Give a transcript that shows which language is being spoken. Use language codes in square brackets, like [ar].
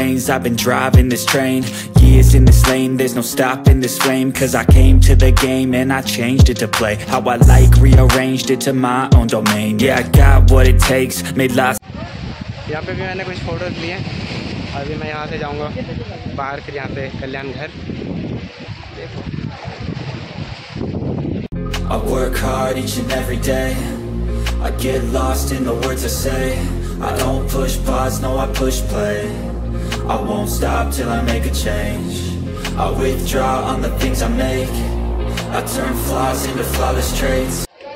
[en] I've been driving this train, years in this lane, there's no stopping this flame. Cause I came to the game and I changed it to play how I like, rearranged it to my own domain. Yeah, I got what it takes, made lots. [hi] यहाँ पे भी मैंने कुछ photos लिए, अभी मैं यहाँ से जाऊँगा बाहर के, यहाँ पे कल्याण घर। [en] I work hard each and every day, I get lost in the words I say, I don't push pause, no I push play, I won't stop till I make a change. I withdraw on the things I make, I turn flaws into flawless traits.